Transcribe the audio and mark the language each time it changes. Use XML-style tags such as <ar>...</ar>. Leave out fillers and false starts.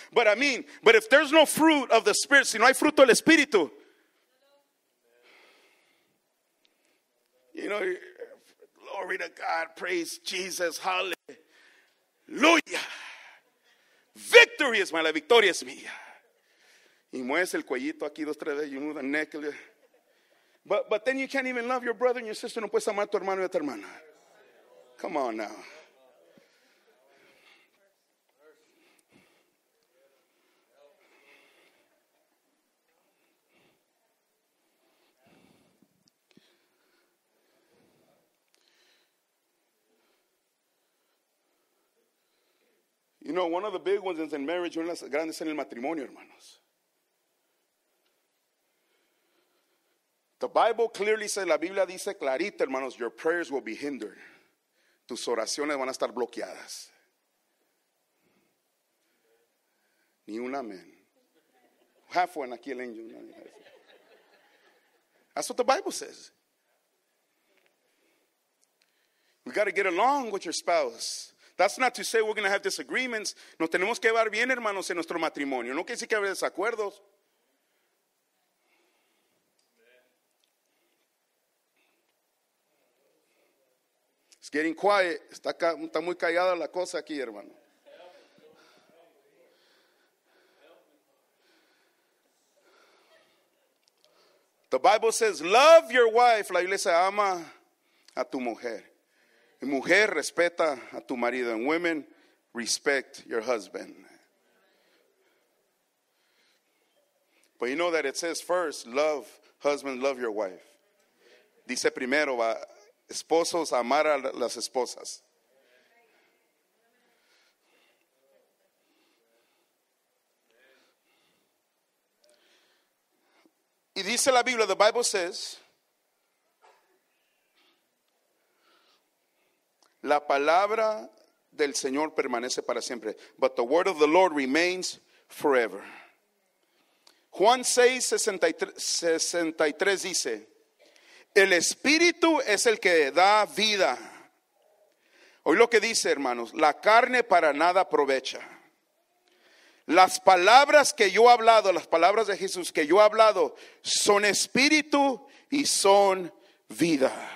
<en>But I mean, but if there's no fruit of the Spirit,</en> <es>si no hay fruto del Espíritu,</es> <en>you know, glory to God, praise Jesus, hallelujah. Victory is my life.</en> <es>Victoria es mía. Y mueves el cuellito aquí dos, tres veces.</es> <en>You move the neck. But then you can't even love your brother and your sister.</en> <es>No puedes amar a tu hermano y a tu hermana.</es> <en>Come on now. You know, one of the big ones is in marriage,</en> <es>una de las grandes en el matrimonio, hermanos.</es> <en>The Bible clearly says,</en> <es>la Biblia dice clarita, hermanos,</es> <en>your prayers will be hindered.</en> <es>Tus oraciones van a estar bloqueadas. Ni un amén. Half one aquí el angel.</es> <en>That's what the Bible says. We got to get along with your spouse. That's not to say we're going to have disagreements.</en> <es>Nos tenemos que llevar bien, hermanos, en nuestro matrimonio. No quiere decir que haya desacuerdos.</es> <en>It's getting quiet.</en> <es>Está muy callada la cosa aquí, hermano.</es> <en>The Bible says, love your wife.</en> <es>La iglesia ama a tu mujer. Mujer, respeta a tu marido.</es> <en>And women, respect your husband. But you know that it says first, love, husband, love your wife.</en> <es>Dice primero, esposos, amar a las esposas. Y dice la Biblia,</es> <en>the Bible says,</en> <es>la palabra del Señor permanece para siempre.</es> <en>But the word of the Lord remains forever.</en> <es>Juan 6:63 dice, el Espíritu es el que da vida. Oí lo que dice, hermanos, la carne para nada aprovecha. Las palabras que yo he hablado, las palabras de Jesús que yo he hablado, son Espíritu y son vida.</es>